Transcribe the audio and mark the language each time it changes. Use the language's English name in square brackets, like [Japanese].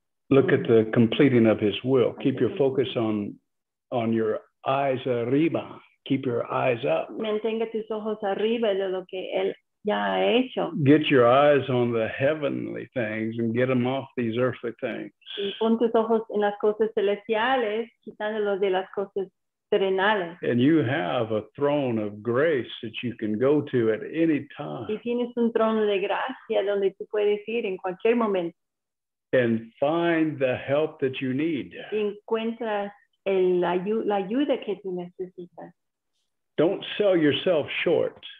[English] Look at the completing of His will. Keep your focus on your eyes arriba. Keep your eyes up. [Spanish] Mantenga tus ojos arriba de lo que Él ya ha hecho. [English] Get your eyes on the heavenly things and get them off these earthly things. [Spanish] Y pon tus ojos en las cosas celestiales, quitándolos de las cosas terrenales. [English] And you have a throne of grace that you can go to at any time. [Spanish] Y tienes un trono de gracia donde tú puedes ir en cualquier momento. [English] And find the help that you need. [Spanish] Encuentra la ayuda que tú necesitas. [English] Don't sell yourself short.